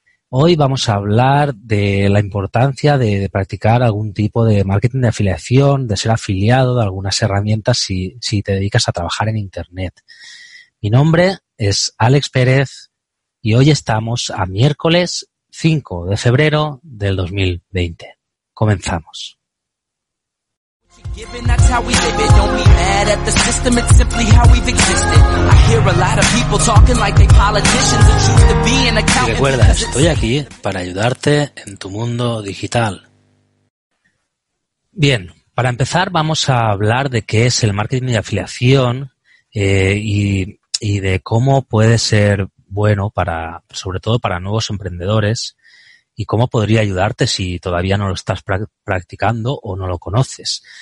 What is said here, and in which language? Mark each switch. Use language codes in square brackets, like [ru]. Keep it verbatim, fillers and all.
[es] Hoy vamos a hablar de la importancia de, de practicar algún tipo de marketing de afiliación, de ser afiliado de algunas herramientas si, si te dedicas a trabajar en Internet. Mi nombre es Alex Pérez y hoy estamos a miércoles cinco de febrero del dos mil veinte. Comenzamos. [en] Given that's how we live it, don't be mad at the system, it's simply how we've existed. I hear a lot of people talking like they politicians and choose to be an accountant. [es] Recuerda, estoy aquí para ayudarte en tu mundo digital. Bien, para empezar vamos a hablar de qué es el marketing de afiliación eh, y, y de cómo puede ser bueno para, sobre todo para nuevos emprendedores, y cómo podría ayudarte si todavía no lo estás practicando o no lo conoces.